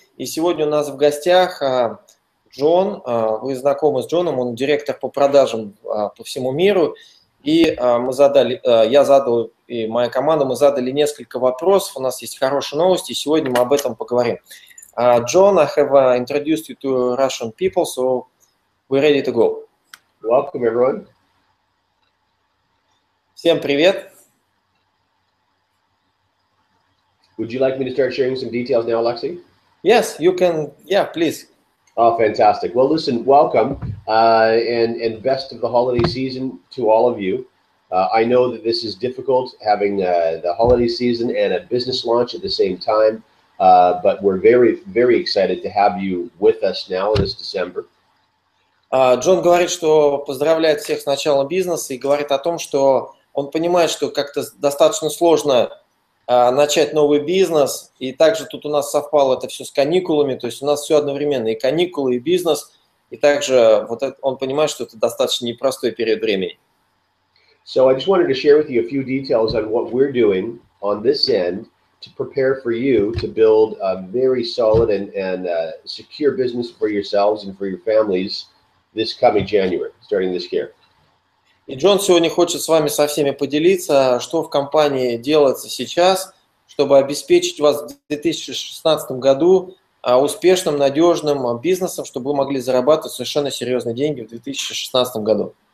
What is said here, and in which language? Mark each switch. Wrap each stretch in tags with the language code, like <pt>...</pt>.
<ru>И сегодня у нас в гостях Джон. Вы знакомы с Джоном, он директор по продажам по всему миру. И моя команда, мы задали несколько вопросов. У нас есть хорошие новости, и сегодня мы об этом поговорим.</ru> <en>Джон, I have introduced you to Russian people, so we're ready to go. Welcome, everyone.</en> <ru>Всем привет.</ru> <en>Would you like me to start sharing some details now, Alexei? Yes, you can. Yeah, please. Oh, fantastic. Well, listen, welcome and best of the holiday season to all of you. I know that this is difficult having the holiday season and a business launch at the same time, but we're very, very excited to have you with us now this December.</en> <ru>Джон говорит, что поздравляет всех с началом бизнеса и говорит о том, что он понимает, что как-то достаточно сложно начать новый бизнес, и также тут у нас совпало это все с каникулами, то есть у нас все одновременно, и каникулы, и бизнес, и также вот это, он понимает, что это достаточно непростой период времени.</ru> <en>So I just wanted to share with you a few details on what we're doing on this end to prepare for you to build a very solid and secure business for yourselves and for your families this coming January, starting this year.</en> <ru>И Джон сегодня хочет с вами со всеми поделиться, что в компании делается сейчас, чтобы обеспечить вас в 2016 году успешным, надежным бизнесом, чтобы вы могли зарабатывать совершенно серьезные деньги в 2016 году.</ru>